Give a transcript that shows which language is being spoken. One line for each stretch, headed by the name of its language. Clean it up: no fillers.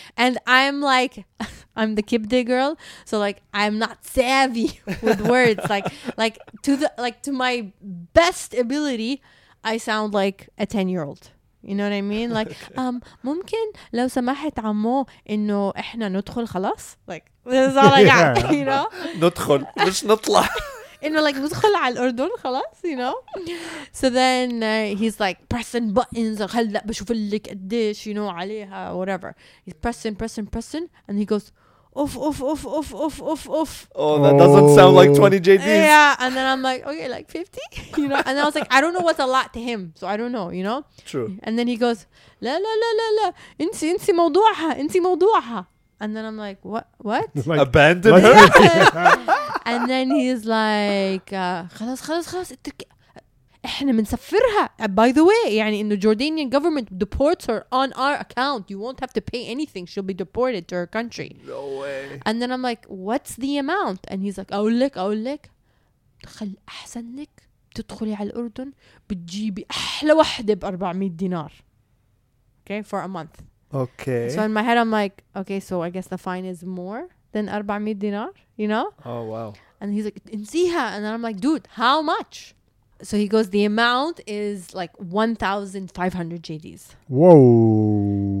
English: And I'm like, I'm the kibde girl. So like, I'm not savvy with words. like to my best ability, I sound like a 10-year-old. You know what I mean? Like,
Arabic: ممكن لو سمحت عمو إنه إحنا ندخل خلاص?
English: Like, this is all I got, you know?
Arabic: ندخل, مش نطلع. إنه
English: like,
Arabic: ندخل على الأردن خلاص,
English: you know? So then he's like, pressing buttons,
Arabic: هلأ بشوف لك قديش,
English: you know,
Arabic: عليها,
English: whatever. He's pressing, and he goes, oof, oof, oof, oof, oof, oof, oof. Oh, that doesn't sound like 20 JDs. Yeah, and then I'm like, okay, like 50? You know? And I was like, I don't know what's a lot to him, so I don't know, you know? True. And then he goes, la, la, la, la, la,
Arabic: انسي موضوعها, انسي موضوعها.
English: And then I'm like, what? Like, abandon her? And then he's like,
Arabic: خلاص, خلاص, خلاص, احنا منسفرها.
English: By the way, يعني in the Jordanian government deports her on our account. You won't have to pay anything. She'll be deported to her country. No way. And then I'm like, what's the amount? And he's like,
Arabic: أقول لك, خل أحسن لك تدخلي على الأردن بتجيبي أحلى واحدة ب400 دينار.
English: Okay, for a month. Okay. So in my head, I'm like, okay, so I guess the fine is more than 400 dinar, you know? Oh, wow. And he's like,
Arabic: انسيها.
English: And then I'm like, dude, how much? So he goes, the amount is like 1,500 JDs. Whoa.